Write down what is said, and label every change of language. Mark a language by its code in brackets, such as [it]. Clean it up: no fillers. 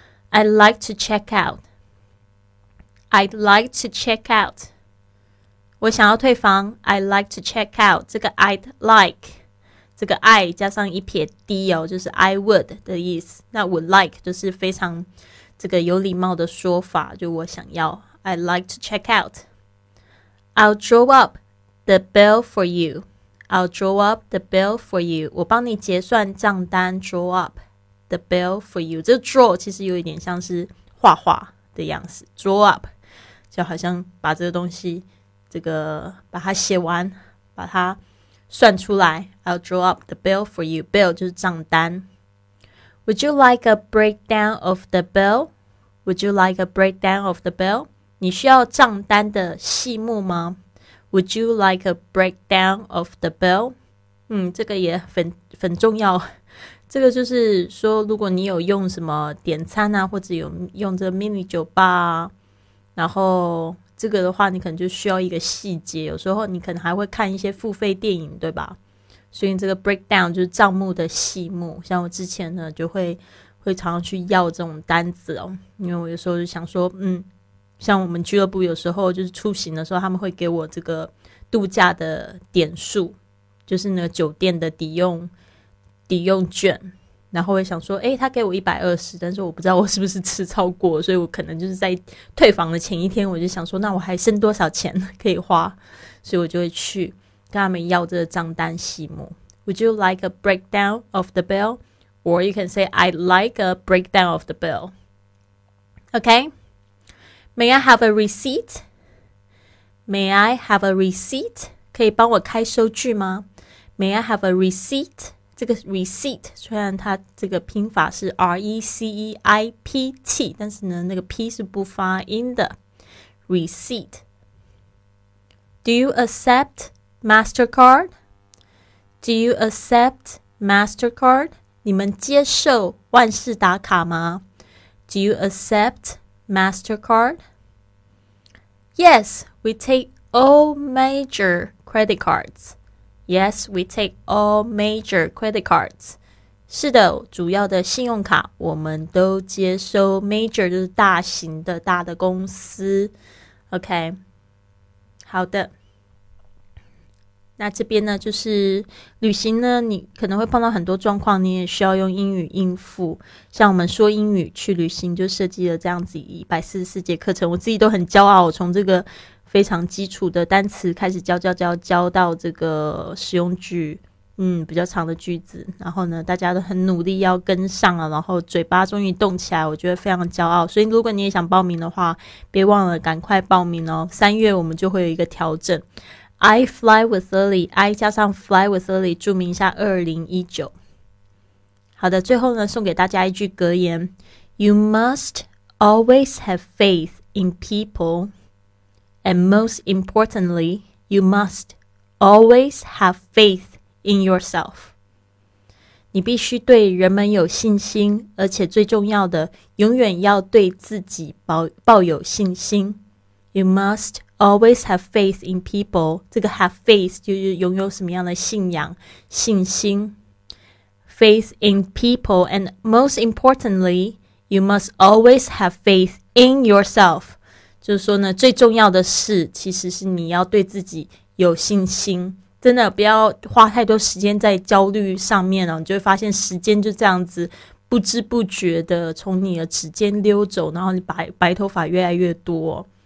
[en] I'd like to check out. I'd like to check out. [zh] 我想要退房。 [en] I'd like to check out. [zh] 这个 [en] I'd like， [zh] 这个 I 加上一撇 D 哦，就是 [en] I would [zh] 的意思。那 would like 就是非常这个有礼貌的说法，就我想要。 [en] I'd like to check out. I'll draw up the bill for you. I'll draw up the bill for you. [zh] 我帮你结算账单。 [en] Draw up the bill for you. [zh] 这个 draw 其实有一点像是画画的样子。 Draw up 就好像把这个东西，这个把它写完，把它算出来。 [en] I'll draw up the bill for you. Bill [zh] 就是账单。 [en] Would you like a breakdown of the bill? Would you like a breakdown of the bill? [zh] 你需要账单的细目吗？ [en] Would you like a breakdown of the bill? [zh] 这个也很重要。这个就是说，如果你有用什么点餐啊，或者有用这个 mini 酒吧啊，然后这个的话你可能就需要一个细节，有时候你可能还会看一些付费电影，对吧？所以这个 breakdown 就是账目的细目。像我之前呢就会常常去要这种单子哦，因为我有时候就想说，像我们俱乐部有时候就是出行的时候，他们会给我这个度假的点数，就是那个酒店的抵用券，然后会想说，他给我120，但是我不知道我是不是吃超过，所以我可能就是在退房的前一天，我就想说，那我还剩多少钱可以花，所以我就会去跟他们要这个账单细目。 [en] Would you like a breakdown of the bill? Or you can say I'd like a breakdown of the bill. Okay? May I have a receipt? May I have a receipt? [zh] 可以帮我开收据吗？ [en] May I have a receipt? [zh] 这个 receipt 虽然它这个拼法是 receipt， 但是呢那个 p 是不发音的。 [en] receipt. Do you accept MasterCard? Do you accept MasterCard? [zh] 你们接受万事达卡吗？ [en] Do you accept MasterCard? Yes, we take all major credit cards. Yes, we take all major credit cards. [zh] 是的，主要的信用卡我们都接收。 Major 就是大型的、大的公司。 OK， 好的。那这边呢，就是旅行呢，你可能会碰到很多状况，你也需要用英语应付。像我们说英语去旅行，就设计了这样子144节课程，我自己都很骄傲，从这个非常基础的单词开始教到这个实用句，比较长的句子。然后呢，大家都很努力要跟上了，然后嘴巴终于动起来，我觉得非常骄傲。所以如果你也想报名的话，别忘了赶快报名哦。三月我们就会有一个调整。 [en] I fly with Lily, I [zh] 加上 [en] fly with Lily, [zh] 注明一下 [en] 2019。 [zh] 好的，最后呢，送给大家一句格言 [en] ,You must always have faith in people, and most importantly, you must always have faith in yourself. [zh] 你必须对人们有信心，而且最重要的，永远要对自己抱有信心。 [en] You must always have faith in people. [zh] 这个 have faith 就是拥有什么样的信仰、信心。 [en] Faith in people. And most importantly, you must always have faith in yourself. [zh] 就是说呢，最重要的是，其实是你要对自己有信心。真的，不要花太多时间在焦虑上面了，你就会发现时间就这样子不知不觉的从你的指尖溜走，然后你 白头发越来越多。